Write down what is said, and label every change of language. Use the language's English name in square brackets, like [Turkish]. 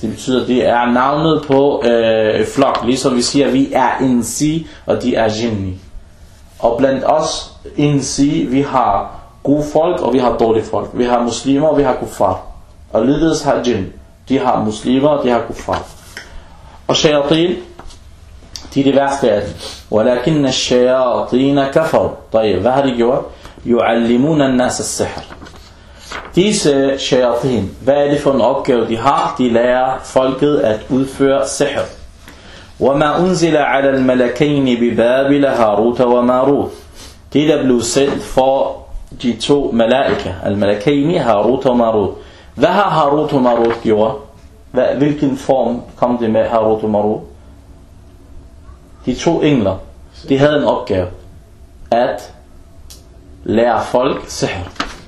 [Danish] Det betyder, at det er navnet på flok. Ligesom vi siger, at vi er insi, og de er jinni. Og blandt os insi, vi har gode folk, og vi har dårlige folk. Vi har muslimer, og vi har kuffar. Og ligeledes har jinn. De har muslimer, og de har kuffar. Og shayatin, de er det værste af dem. [Arabic] ولكن الشياطين كفروا. طيب هذا الجواب يعلمون الناس السحر. [Danish] Disse shayatin, hvad er det for en opgave de har? De lærer folket at udføre sihr. [Arabic] وما انزل على الملكين ببابل هاروت وماروت. [Danish] Det der blev sendt for de to malaika, الملكين هاروت وماروت. Hvad har هاروت وماروت gjort? Hvilken form kom det med هاروت وماروت? De to engler, de havde en opgave at lære folk sihr.